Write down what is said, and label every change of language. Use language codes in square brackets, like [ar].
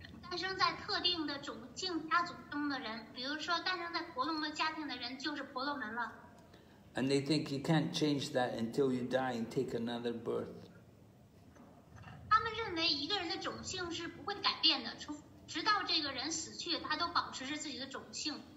[zh] 诞生在特定的种姓家族中的人，比如说诞生在婆罗门家庭的人就是婆罗门了。 [en] And they think you can't change that until you die and take another birth. [zh] 他们认为一个人的种姓是不会改变的，直到这个人死去，他都保持着自己的种姓。